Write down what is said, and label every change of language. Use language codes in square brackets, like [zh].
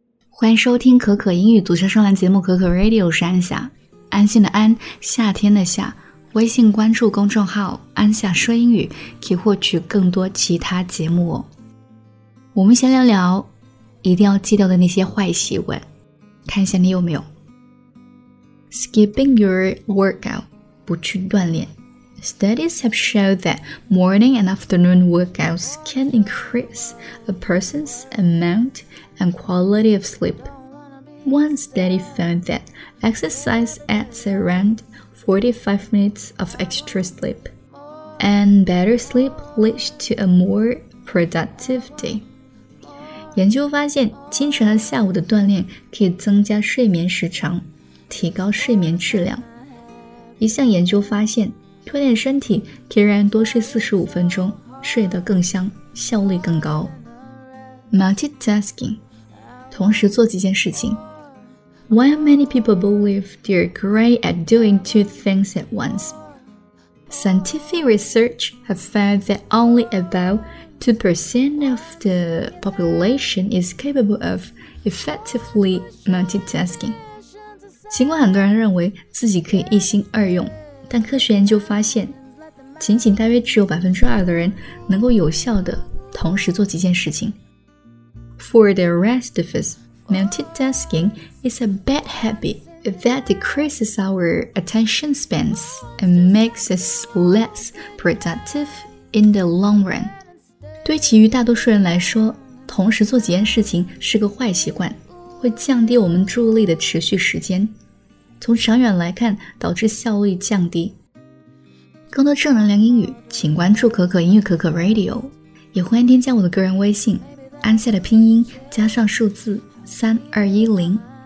[zh] 欢迎收听可可英语读小声栏节目可可 Radio， 我是安夏，安心的安，夏天的夏。微信关注公众号安夏说英语，可以获取更多其他节目哦。我们先聊聊一定要戒掉的那些坏习惯，看一下你有没有。 [en] Skipping your workout， [zh] 不去锻炼。 [en] Studies have shown that morning and afternoon workouts can increase a person's amountand quality of sleep. One study found that exercise adds around 45 minutes of extra sleep, and better sleep leads to a more productive day. [zh] 研究发现，清晨和下午的锻炼可以增加睡眠时长，提高睡眠质量。一项研究发现，锻炼身体可以让人多睡45分钟，睡得更香，效率更高。 [en] Multitasking， [zh] 同时做几件事情。 [en] While many people believe they're great at doing two things at once, scientific research have found that only about 2% of the population is capable of effectively multitasking. [zh] 尽管很多人认为自己可以一心二用，但科学研究发现，仅仅大约只有 2% 的人能够有效地同时做几件事情。 [en] For the rest of us, multitasking is a bad habit that decreases our attention spans and makes us less productive in the long run. [zh] 对其余大多数人来说，同时做几件事情是个坏习惯，会降低我们注意力的持续时间，从长远来看导致效率降低。更多正能量英语请关注可可英语可可 Radio， 也欢迎添加我的个人微信安夏的拼音加上数字3210。